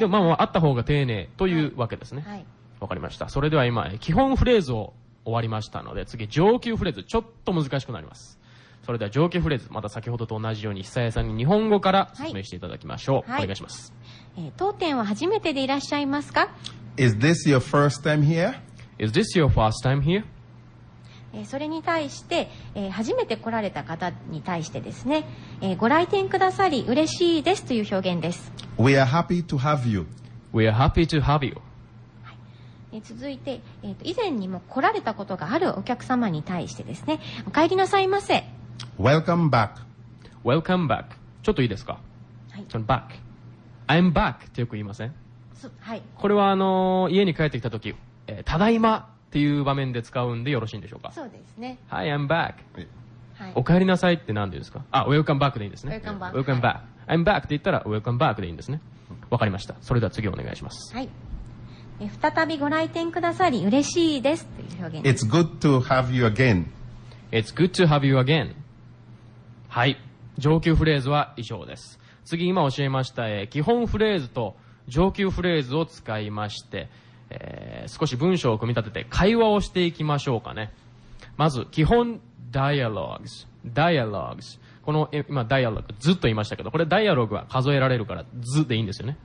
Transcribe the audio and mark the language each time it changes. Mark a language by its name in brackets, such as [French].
[Japanese] でもまあ、あった方が丁寧というわけですね。はい、わかりました。それでは今基本フレーズを終わりましたので、次上級フレーズ、ちょっと難しくなります。それでは上級フレーズ、また先ほどと同じように久谷さんに日本語から説明していただきましょう、はい、お願いします。当店は初めてでいらっしゃいますか？ [English] Is this your first time here? Is this your first time here? [Japanese] それに対して、初めて来られた方に対してですね、ご来店くださり嬉しいですという表現です。 [English] We are happy to have you. We are happy to have you. [Japanese] 続いて、以前にも来られたことがあるお客様に対してですね、お帰りなさいませ。 [English] Welcome back. Welcome back. [Japanese] ちょっといいですか、はい、その back、 [English] I'm back [Japanese] ってよく言いません？はい、これは家に帰ってきた時、ただいまっていう場面で使うんでよろしいんでしょうか？そうですね、はい、 [English] I'm back、 [Japanese] はい、お帰りなさいって何でですか？あ、 [English] Welcome back [Japanese] でいいんですね。 [English] Welcome back、 Welcome back、 I'm back [Japanese] って言ったら Welcome back でいいんですね。わかりました。それでは次お願いします。はい、再びご来店くださり嬉しいですという表現です。 [English] It's good to have you again. It's good to have you again. [Japanese] はい、上級フレーズは以上です。次、今教えました基本フレーズと上級フレーズを使いまして、少し文章を組み立てて会話をしていきましょうかね。まず基本 dialogues、 dialogues、この今ダイアログずっと言いましたけど、これダイアログは数えられるからずでいいんですよね。